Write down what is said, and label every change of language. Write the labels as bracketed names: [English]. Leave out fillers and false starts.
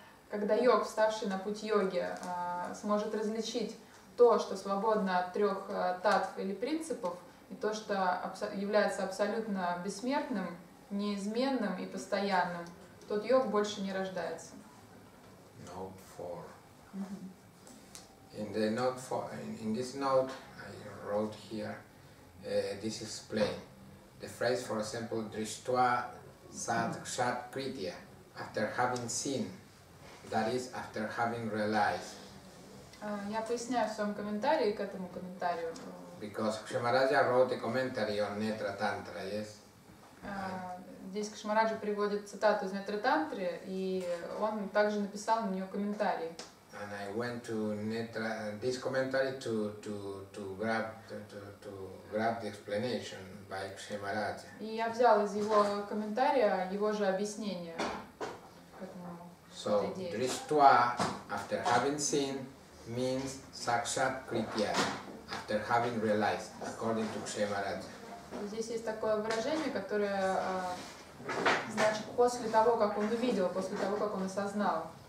[Russian] Когда йог, вставший на путь йоги, сможет различить то, что свободно от трех татв или принципов, и то, что является абсолютно бессмертным, неизменным и постоянным, тот йог больше не рождается. [English] Note 4. In this note I wrote here, this explains the phrase, for example, Drishtva Sat Kshat Kritya, after having seen, that is, after having realized. [Russian] Я поясняю в своем комментарии к этому комментарию. [English] Because Кшемараджа wrote a commentary on Netra Tantra, yes? [Russian] Здесь Кшемараджа приводит цитату из Netra Tantra, и он также написал на нее комментарий. [English] And I went to Netra, this commentary to grab the explanation by Кшемараджа. [Russian] И я взял из его комментария его же объяснение. [English] So, Drishtva, after having seen, means Sakshat Kritya, after having realized, according to Кшемараджа. [Russian] Здесь есть такое выражение, которое значит после того, как он увидел, после того, как он осознал.